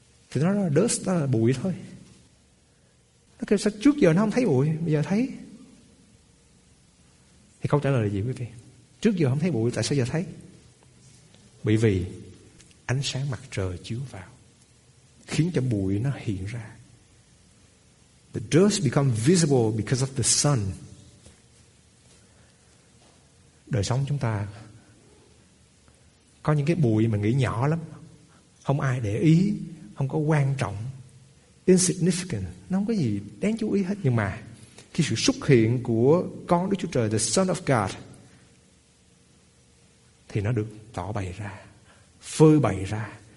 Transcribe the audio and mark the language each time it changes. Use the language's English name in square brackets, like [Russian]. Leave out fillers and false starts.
[Vietnamese] Thì nó nói dust, đó là bụi thôi. Nó kêu sao trước giờ nó không thấy bụi, bây giờ thấy. Thì câu trả lời là gì quý vị? Trước giờ không thấy bụi, tại sao giờ thấy? Bởi vì ánh sáng mặt trời chiếu vào khiến cho bụi nó hiện ra. [English] The dust become visible because of the sun. [Vietnamese] Đời sống chúng ta có những cái bụi mà nghĩ nhỏ lắm, không ai để ý, không có quan trọng, insignificant, nó không có gì đáng chú ý hết. Nhưng mà khi sự xuất hiện của con Đức Chúa Trời, [English] the Son of God, [Vietnamese] thì nó được tỏ bày ra, phơi bày ra.